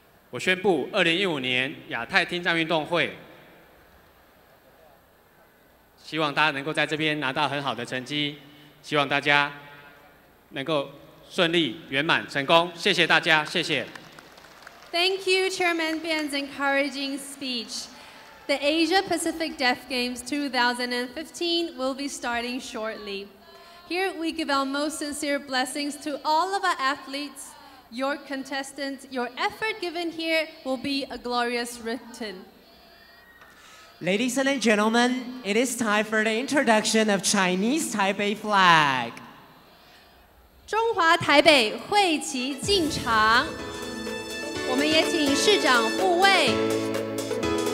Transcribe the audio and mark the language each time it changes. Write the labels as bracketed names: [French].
[Chinese] 我宣布2015年亚太听障运动会，希望大家能够在这边拿到很好的成绩。希望大家能够顺利圆满成功，谢谢大家，谢谢。 [English] Thank you, Chairman Ben's encouraging speech. The Asia Pacific Deaf Games 2015 will be starting shortly. Here we give our most sincere blessings to all of our athletes, your contestants. Your effort given here will be a glorious return. Ladies and gentlemen, it is time for the introduction of Chinese Taipei flag. [Chinese] 中华台北会旗进场，我们也请市长护卫。